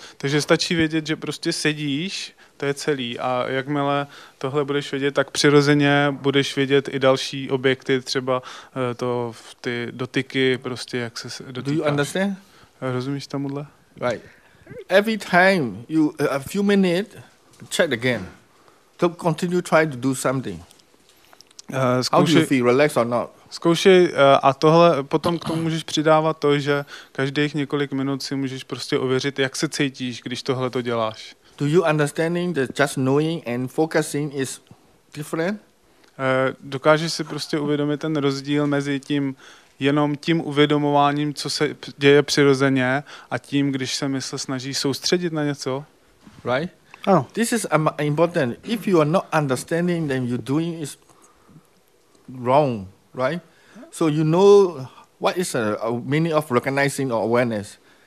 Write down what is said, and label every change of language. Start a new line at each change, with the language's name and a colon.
Czech: Takže stačí vědět, že prostě sedíš, to je celý. A jakmile tohle budeš vědět, tak přirozeně budeš vědět i další objekty, třeba to v ty dotyky, prostě jak se dotýkáš.
English: Do you understand?
Czech: Rozumíš tomuhle?
English: Right. Every time you a few minutes check again. To continue try to do something.
Czech: Zkoušej,
English: how do you feel, relax or not?
Czech: Zkoušej a tohle potom k tomu můžeš přidávat to, že každých několik minut si můžeš prostě ověřit, jak se cítíš, když tohle to děláš.
English: Do you understanding that just knowing and focusing is different?
Czech: Dokážeš si prostě uvědomit ten rozdíl mezi tím jenom tím uvědomováním, co se děje přirozeně, a tím, když se mysl snaží soustředit na něco?
English: Right? Oh. This is important. If you are not understanding, then you doing is wrong, right? So you know what is a meaning of recognizing or awareness.